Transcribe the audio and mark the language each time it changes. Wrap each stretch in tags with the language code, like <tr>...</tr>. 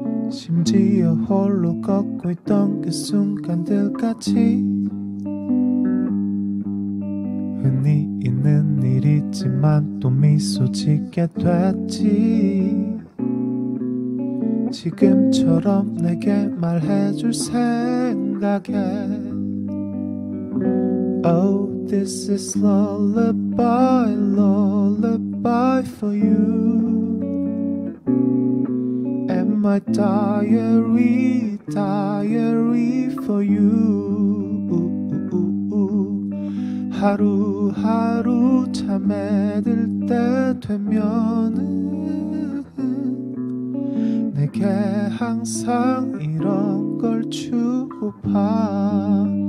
<ko>심지어 홀로 걷고 있던 그 순간들까지 흔히 있는 일이지만 또 미소 짓게 됐지 지금처럼 내게 말해줄 생각에</ko> <en>Oh, this is lullaby, lullaby for you. And my diary, diary for you. Ooh, ooh, ooh, ooh.</en> <ko>하루하루 잠에 들 때 되면은 내게 항상 이런 걸 주고 봐.</ko>